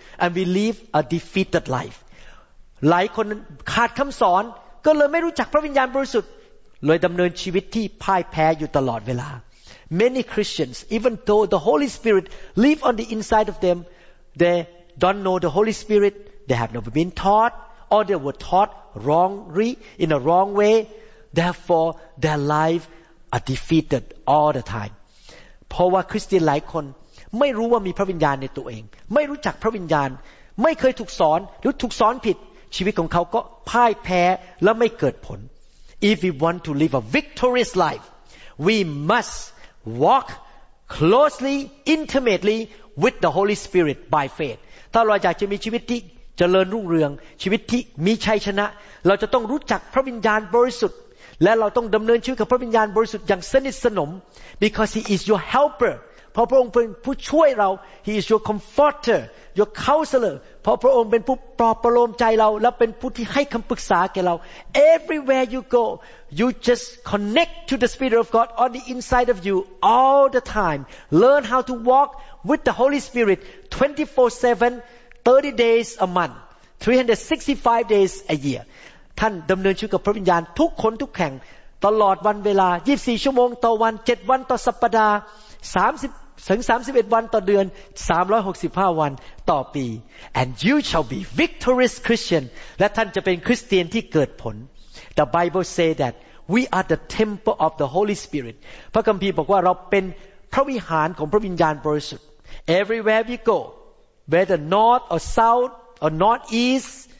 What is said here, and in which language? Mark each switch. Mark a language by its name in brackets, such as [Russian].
[English] And we live a defeated life. [Thai] หลายคนขาดคำสอนก็เลยไม่รู้จักพระวิญญาณบริสุทธิ์เลยดำเนินชีวิตที่พ่ายแพ้อยู่ตลอดเวลา [English] Many Christians, even though the Holy Spirit live on the inside of them, they don't know the Holy Spirit. They have never been taught, or they were taught wrongly in a wrong way. Therefore, their life are defeated all the time. [Thai] เพราะว่าคริสเตียนหลายคนไม่รู้ว่ามีพระวิญญาณในตัวเองไม่รู้จักพระวิญญาณไม่เคยถูกสอนหรือถูกสอนผิดชีวิตของเขาก็พ่ายแพ้และไม่เกิดผล [English] If we want to live a victorious life we must walk closely intimately with the Holy Spirit by faith [Thai] ถ้าเราอยากจะมีชีวิตที่เจริญรุ่งเรืองชีวิตที่มีชัยชนะเราจะต้องรู้จักพระวิญญาณบริสุทธิ์และเราต้องดำเนินชีวิตกับพระวิญญาณบริสุทธิ์อย่างสนิทสนม [English] because he is your helper [Thai] เพราะพระองค์เป็นผู้ช่วยเรา [English] He is your comforter, your counselor. [Thai] เพราะพระองค์เป็นผู้ปลอบประโลมใจเราและเป็นผู้ที่ให้คำปรึกษาแก่เรา [English] Everywhere you go, you just connect to the Spirit of God on the inside of you all the time. Learn how to walk with the Holy Spirit 24/7, 30 days a month, 365 days a year. [Thai] ท่านดำเนินชีวิตกับพระวิญญาณทุกคนทุกแห่งตลอดวันเวลา24ชั่วโมงต่อวัน7วันต่อสัปดาห์30ถึง31วันต่อเดือน365วันต่อปี [English] and you shall be victorious christian [Thai] และท่านจะเป็นคริสเตียนที่เกิดผล [English] the bible say that we are the temple of the holy spirit [Thai] พระคัมภีร์บอกว่าเราเป็นพระวิหารของพระวิญญาณบริสุทธิ์ [English] everywhere we go whether north or south or northeast